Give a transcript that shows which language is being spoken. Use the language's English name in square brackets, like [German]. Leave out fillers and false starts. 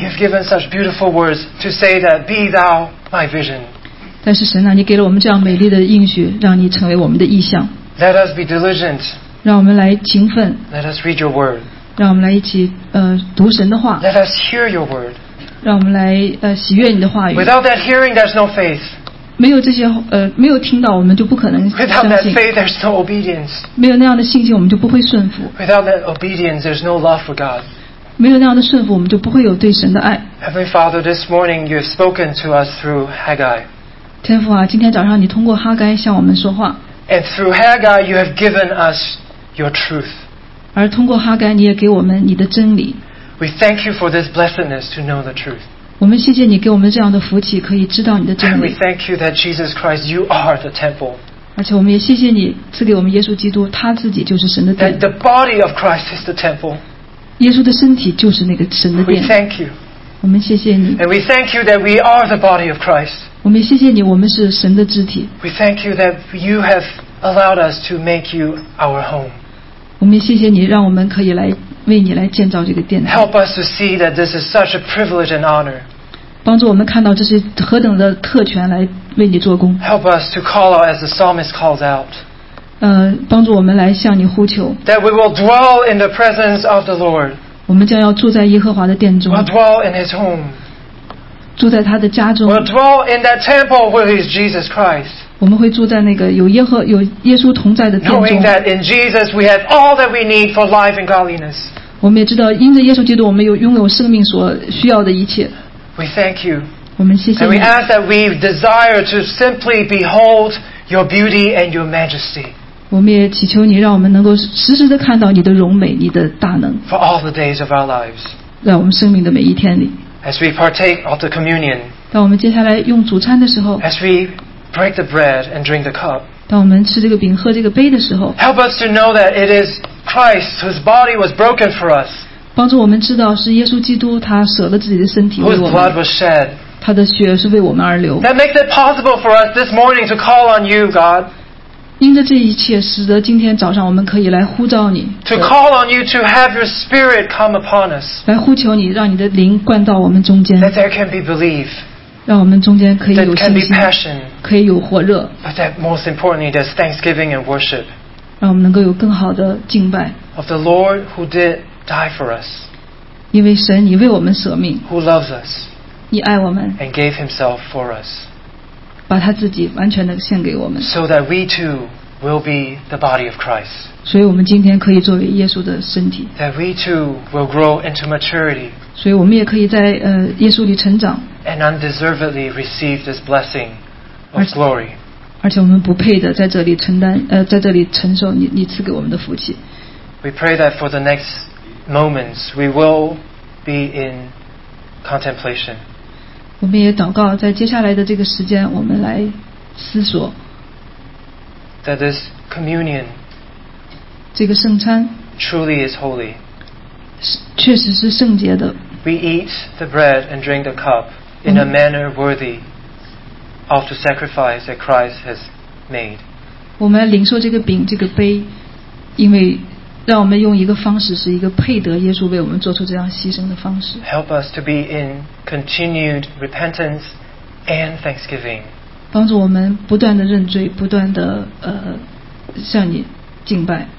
[English] You've given such beautiful words to say that be thou my vision. [Chinese] 但是神呢，你给了我们这样美丽的应许，让你成为我们的意象。 [English] Let us be diligent. [Chinese] 让我们来勤奋。 [English] Let us read your word. [Chinese] 让我们来一起读神的话。 [English] Let us hear your word. [Chinese] 让我们来喜悦你的话语。 [English] Without that hearing, there's no faith. [Chinese] 没有这些没有听到，我们就不可能相信。 [English] Without that faith, there's no obedience. [Chinese] 没有那样的信心，我们就不会顺服。 [English] Without that obedience, there's no love for God. [Chinese] 没有那样的顺服，我们就不会有对神的爱。 [English] Heavenly Father, this morning you have spoken to us through Haggai. [Chinese] 天父啊，今天早上你通过哈该向我们说话。 [English] And through Haggai, you have given us your truth. [Chinese] 而通过哈该，你也给我们你的真理。 [English] We thank you for this blessedness to know the truth. [Chinese] 我们谢谢你给我们这样的福气，可以知道你的真理。 [English] And we thank you that Jesus Christ, you are the temple. [Chinese] 而且我们也谢谢你赐给我们耶稣基督，他自己就是神的殿。 [English] The body of Christ is the temple. [Chinese] 耶稣的身体就是那个神的殿。 [English] We thank you. [Chinese] 我们谢谢你。 [English] And we thank you that we are the body of Christ. [Chinese] 我们谢谢你，我们是神的肢体。 [English] We thank you that you have allowed us to make you our home. [Chinese] 我们谢谢你，让我们可以来为你来建造这个殿。 [English] Help us to see that this is such a privilege and honor. [Chinese] 帮助我们看到这是何等的特权来为你做工。 [English] Help us to call out as the psalmist calls out. [Chinese] 帮助我们来向你呼求。 [English] That we will dwell in the presence of the Lord. [Chinese] 我们将要住在耶和华的殿中。 [English] We'll dwell in His home. [Chinese] 住在他的家中。 [English] We'll dwell in that temple with His Jesus Christ. [Chinese] 我们会住在那个有耶稣同在的殿中。 [English] Knowing that in Jesus we have all that we need for life and godliness. [Chinese] 我们也知道，因着耶稣基督，我们有拥有生命所需要的一切。 [English] We thank you. [Chinese] 我们谢谢你。 [English] And we ask that we desire to simply behold your beauty and your majesty. [Chinese] 我们也祈求你，让我们能够实时的看到你的荣美，你的大能。 [English] For all the days of our lives. [Chinese] 让我们生命的每一天里。 [English] As we partake of the communion. [Chinese] 当我们接下来用主餐的时候。 [English] As we break the bread and drink the cup. [Chinese] 当我们吃这个饼喝这个杯的时候。 [English] Help us to know that it is Christ whose body was broken for us. [Chinese] 帮助我们知道是耶稣基督他舍了自己的身体为我们 [English] blood was shed, [Chinese] 他的血是为我们而流 [English] That makes it possible for us this morning to call on you, God [Chinese] 因着这一切使得今天早上我们可以来呼召你 [English] To call on you to have your spirit come upon us [Chinese] 来呼求你让你的灵灌到我们中间 [English] That there can be belief [Chinese] 让我们中间可以有信心 [English] That can be passion [Chinese] 可以有火热 [English] But that most importantly there's thanksgiving and worship [Chinese] 让我们能够有更好的敬拜 [English] Of the Lord who diddidDie for us. [Chinese] 因为神，你为我们舍命。 [English] Who loves us? [Chinese] 你爱我们。 [English] And gave himself for us. [Chinese] 把他自己完全的献给我们。 [English] So that we too will be the body of Christ. [Chinese] 所以我们今天可以作为耶稣的身体。 [English] That we too will grow into maturity. [Chinese] 所以我们也可以在耶稣里成长。 [English] And undeservedly receive this blessing of glory. [Chinese] 而且我们不配的在这里承担在这里承受你赐给我们的福气。 [English] We pray that for the next. Moments, we will be in contemplation. [Chinese] 我们也祷告，在接下来的这个时间，我们来思索。 [English] That this communion, [Chinese] 这个圣餐 [English] truly is holy. [Chinese] 确实是圣洁的。 [English] We eat the bread and drink the cup in a manner worthy of the sacrifice that Christ has made. [Chinese] 我们领受这个饼，这个杯，因为。让我们用一个方式，是一个配得耶稣为我们做出这样牺牲的方式。 [English] Help us to be in continued repentance and thanksgiving. [Chinese] 帮助我们不断的认罪，不断的向你敬拜。